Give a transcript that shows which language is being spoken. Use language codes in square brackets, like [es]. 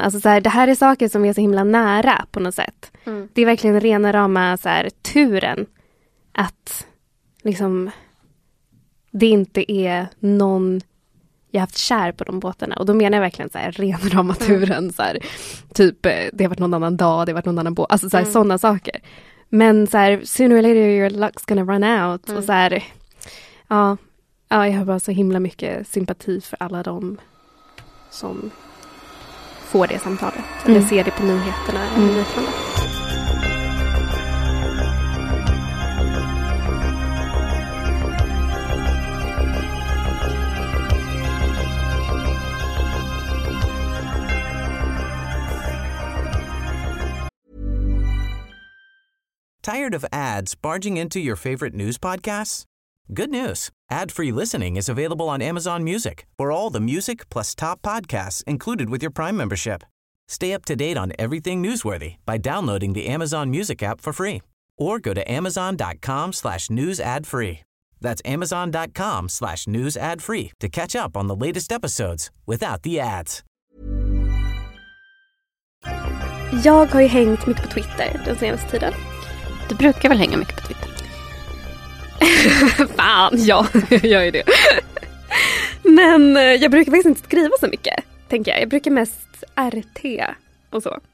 [sv] Alltså så här, det här är saker som är så himla nära på något sätt. Det är verkligen rena rama så här, turen att liksom det inte är någon... jag har haft kär på de båtarna. Och då menar jag verkligen så här, ren ramaturen. Så här, typ, det har varit någon annan dag, det har varit någon annan båt. Alltså så här, sådana saker. [en] Men så här, sooner or later your luck's gonna run out. [sv] Mm. Och så här, ja, jag har bara så himla mycket sympati för alla de som får det samtalet. Eller ser det på nyheterna. [en] Tired of ads barging into your favorite news podcasts? Good news. Ad-free listening is available on Amazon Music for all the music plus top podcasts included with your Prime membership. Stay up to date on everything newsworthy by downloading the Amazon Music app for free or go to amazon.com/newsadfree. That's amazon.com/newsadfree to catch up on the latest episodes without the ads. [sv] Jag har ju hängt mycket på Twitter den senaste tiden. Du brukar väl hänga mycket på Twitter? Fan, ja, jag gör ju det. Men jag brukar faktiskt inte skriva så mycket, tänker jag. Jag brukar mest RT och så.